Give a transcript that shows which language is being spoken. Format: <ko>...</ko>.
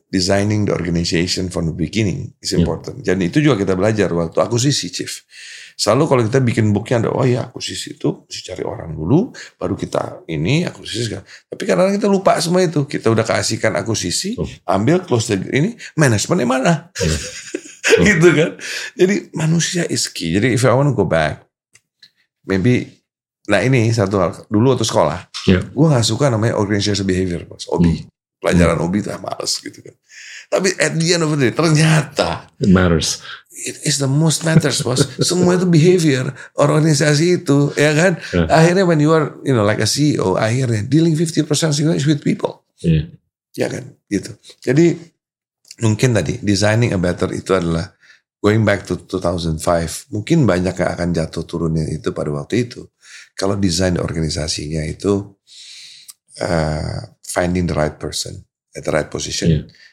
<en>Designing the organization from the beginning is important.</en> <id>Jadi itu juga kita belajar waktu akuisisi, Chief. Selalu kalau kita bikin booknya ada, oh ya akuisisi itu mesti cari orang dulu, baru kita ini akuisisi. Tapi kadang-kadang kita lupa semua itu. Kita udah kasihkan akuisisi, ambil</id> <en>close the</en> <id>ini, manajemennya mana? Gitu kan? Jadi manusia</id> <en>is key.</en> <id>Jadi</id> <en>if I want to go back, maybe,</en> <id>nah ini satu hal, dulu waktu sekolah,</id> <en>Yeah.</en> <id>Gue gak suka namanya organizational behavior, Mas. OBI. Mm. Pelajaran OBI itu males gitu kan. Tapi</id> <en>at the end of the day,</en> <id>ternyata.</id> <en>It matters. It is the most matters, Mas.</en> <id>Semua itu behavior, organisasi itu, ya kan.</id> <en>Yeah.</en> <id>Akhirnya</id> <en>when you are, you know, like a CEO,</en> <id>akhirnya</id> <en>dealing 50% sequence with people. Yeah.</en> <id>Ya kan, gitu. Jadi, mungkin tadi,</id> <en>designing a better</en> <id>itu adalah,</id> <en>going back to 2005,</en> <id>mungkin banyak yang akan jatuh turunnya itu pada waktu itu. Kalau desain organisasinya itu</id> <en>finding the right person at the right position. Yeah.</en>